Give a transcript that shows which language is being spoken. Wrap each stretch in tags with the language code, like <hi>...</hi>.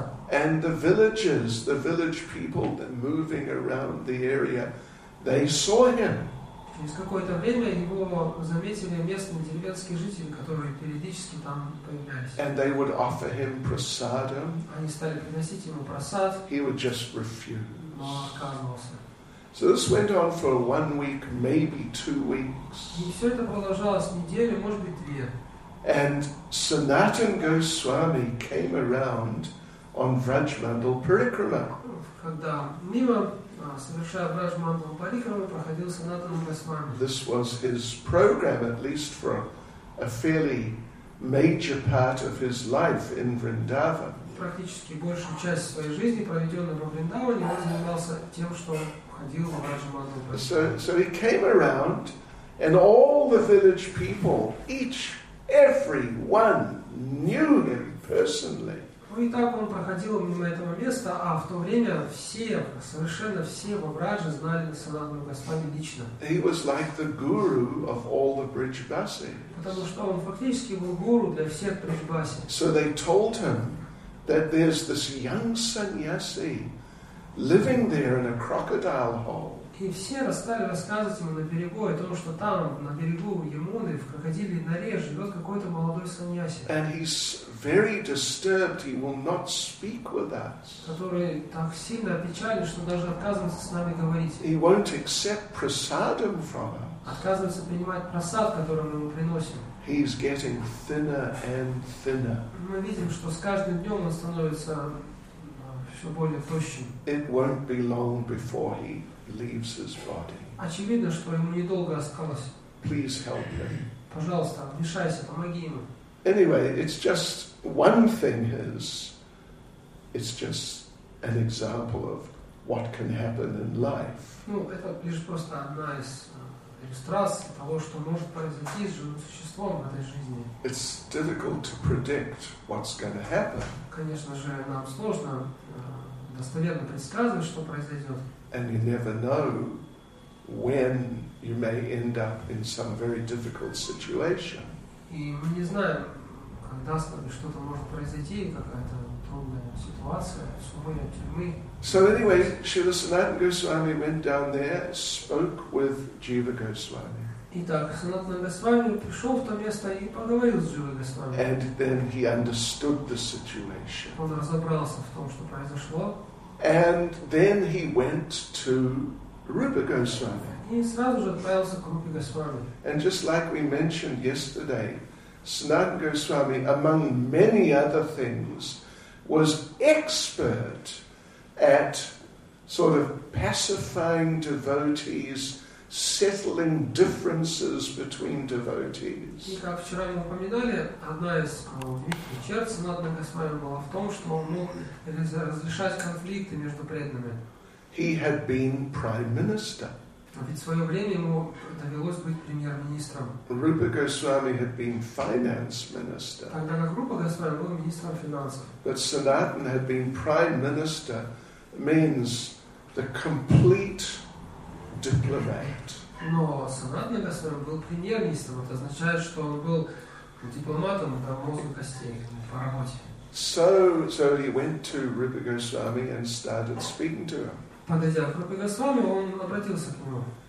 <en>And the village people that moving around the area, they saw him.</en> <ru>Через какое-то время его заметили местные деревенские жители, которые периодически там появлялись.</ru> <en>And they would offer him prasadam.</en> <ru>Они стали приносить ему прасад.</ru> <en>He would just refuse.</en> <ru>Но отказывался.</ru> <en>So this went on for 1 week, maybe 2 weeks.</en> <ru>И все это продолжалось неделю, может быть, две.</ru> <en>And Sanatan Goswami came around on Vrajmandal Parikrama.</en> <ru>Когда мимо, совершая Vrajmandal Parikrama, проходил Sanatan Goswami.</ru> <en>This was his program, at least for a fairly major part of his life in Vrindavan.</en> <ru>Практически большую часть своей жизни, проведенной во Вриндаване, он занимался тем, что ходил на Vrajmandal Parikrama.</ru> <en>So he came around, and all the village people, everyone knew him personally.</en> <ru>Ну и так он проходил мимо этого места, а в то время все, совершенно все во Враже знали Санатана Госвами лично.</ru> <en>He was like the guru of all the Бриджбаси.</en> <ru>Потому что он фактически был гуру для всех Бриджбаси.</ru> <en>So they told him that there's this young sannyasi living there in a crocodile hole.</en> <ru>И все стали рассказывать ему на берегу о том, что там, на берегу Ямуны, в крокодиле норе, живет какой-то молодой саньяси.</ru> <en>And he's very disturbed, he will not speak with us.</en> <ru>Который так сильно опечален, что даже отказывается с нами говорить.</ru> <en>He won't accept prasadam from us.</en> <ru>Отказывается принимать прасад, который мы ему приносим.</ru> <en>He's getting thinner and thinner.</en> <ru>Мы видим, что с каждым днем он становится все более тощим.</ru> <en>It won't be long before he leaves his body.</en> <ru>Очевидно, что ему недолго осталось.</ru> <en>Please help me.</en> <ru>Пожалуйста, вмешайся, помоги ему.</ru> <en>Anyway, it's just one thing is, it's just an example of what can happen in life.</en> <ru>Ну, это лишь просто одна из иллюстраций того, что может произойти с живым существом в этой жизни.</ru> <en>It's difficult to predict what's going to happen.</en> <ru>Конечно же, нам сложно достоверно предсказывать, что произойдет.</ru> <en>And you never know when you may end up in some very difficult situation.</en> <ru>И мы не знаем, когда с тобой что-то может произойти, какая-то трудная ситуация, суровая тюрьмы.</ru> <en>So anyway, Śrīla Sanātana Goswāmī went down there, spoke with Jīva Goswāmī.</en> <ru>Итак, Санатана Госвами пришел в то место и поговорил с Джива Госвами.</ru> <en>And then he understood the situation.</en> <ru>Он разобрался в том, что произошло.</ru> <en>And then he went to Rupa Goswami.</en> <ru>И сразу же отправился к Рупе Госвами.</ru> <en>And just like we mentioned yesterday, Sanatana Goswami, among many other things, was expert at sort of pacifying devotees, settling differences between devotees.</en> <ru>И как вчера мы упоминали, одна из великих черт Санатана Госвами была в том, что он мог разрешать конфликты между преданными.</ru> <en>He had been prime minister.</en> <ru>Ведь в свое время ему довелось быть премьер-министром.</ru> <en>Rupa Goswami had been finance minister.</en> <ru>Тогда как Рупа Госвами был министром финансов.</ru> <en>But Sanatana had been prime minister means the complete diplomat.</en> <ru>Но Санатана Госвами был премьер-министром. Это означает, что он был дипломатом до мозга костей по работе.</ru> <en>So he went to Rupa Goswami and started speaking to him.</en> <ru>Подойдя к Рупе Госвами, он обратился к нему.</ru>